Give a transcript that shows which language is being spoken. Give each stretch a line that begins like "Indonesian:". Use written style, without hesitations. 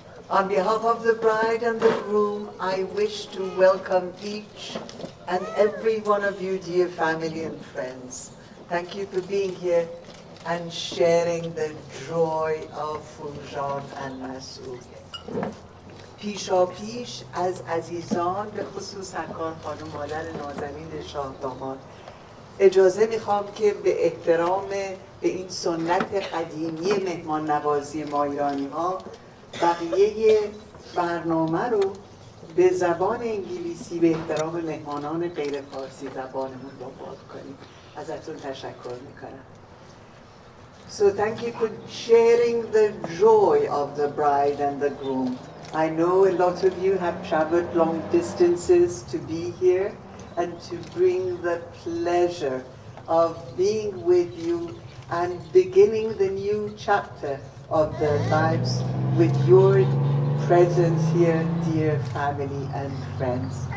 English: On behalf of the bride and the groom, I wish to welcome each and every one of you, dear family and friends. Thank you for being here and sharing the joy of Fourjan and Masoud.
Persian: پیشا پیش از عزیزان به خصوص سرکار خانم مادر نازنین شاه داماد اجازه میخوام که به احترام به این سنت قدیمی مهمان نوازی ما ایرانی ها بقیه برنامه رو به زبان انگلیسی به احترام مهمانان غیر فارسی زبانمون با باد کنیم. ازتون تشکر میکنم.
English: So thank you for sharing the joy of the bride and the groom. I know a lot of you have traveled long distances to be here and to bring the pleasure of being with you and beginning the new chapter of their lives with your presence here, dear family and friends.